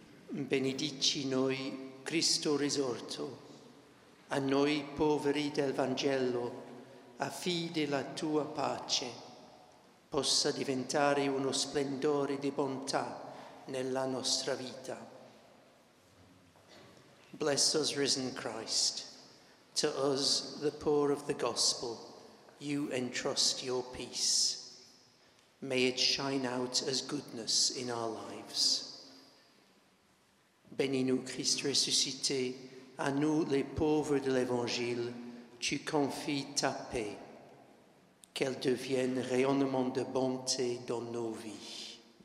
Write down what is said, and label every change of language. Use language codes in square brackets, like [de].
[it] Benedici noi, Cristo risorto, a noi poveri del Vangelo, affidi la tua pace, possa diventare uno splendore di bontà nella nostra vita. [en] Bless us, risen Christ. To us, the poor of the gospel, you entrust your peace. May it shine out as goodness in our lives. [fr] Bénis-nous, Christ ressuscité, à nous les pauvres de l'Évangile, tu confies ta paix. Qu'elle devienne rayonnement de bonté dans nos vies.